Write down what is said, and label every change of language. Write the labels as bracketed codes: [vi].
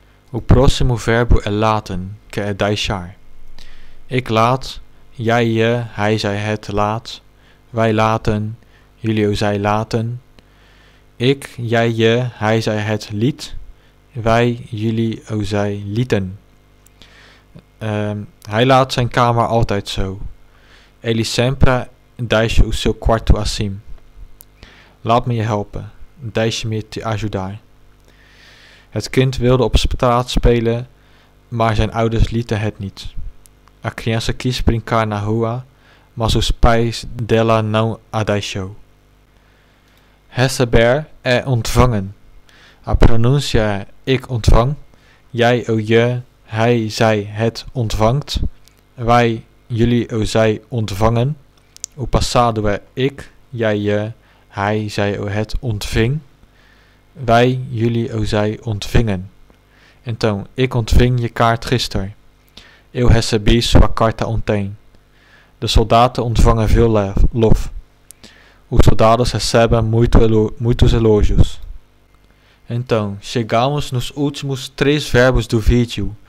[pt] O próximo verbo é laten, que é deixar. [nl] Ik laat, jij je, hij zij het laat. Wij laten, jullie zij laten. Ik, jij je, hij zij het liet. Wij, jullie zij lieten. Hij laat zijn kamer altijd zo. [pt] Ele sempre deixa o seu quarto assim. [nl] Laat me je helpen. [pt] Deixe me te ajudar. [nl] Het kind wilde op straat spelen, maar zijn ouders lieten het niet. [pt] A criança quis brincar na rua, mas os pais dela não a deixou. Receber é ontvangen. A pronúncia é [nl] ik ontvang, jij ou je, hij, zij, het ontvangt, wij, jullie ou zij ontvangen. [pt] O passado é [nl] ik, jij, je, hij, zij ou het ontving, wij, jullie ou zij ontvingen. Então, ik ontving je kaart gisteren. [pt] Eu recebi sua carta ontem. [nl] De soldaten ontvangen veel lof. [pt] Os soldados recebem muitos elogios. Então, chegamos nos últimos três verbos do vídeo.